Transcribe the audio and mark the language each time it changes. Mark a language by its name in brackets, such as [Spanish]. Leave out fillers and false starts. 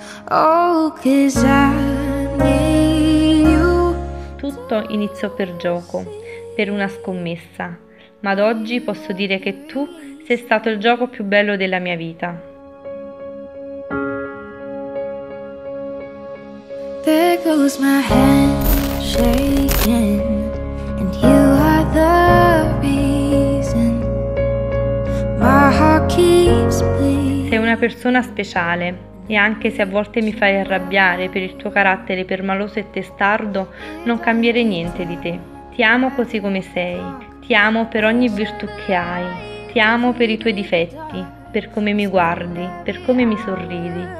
[English] Oh, 'cause I need you. [Italian] Tutto iniziò per gioco, per una scommessa, ma ad oggi posso dire che tu sei stato il gioco più bello della mia vita. [English] There goes my hand shaking, and you are the reason my heart keeps bleeding. [Italian] Sei una persona speciale, e anche se a volte mi fai arrabbiare per il tuo carattere permaloso e testardo, non cambierei niente di te. Ti amo così come sei, ti amo per ogni virtù che hai. Ti amo per i tuoi difetti, per come mi guardi, per come mi sorridi.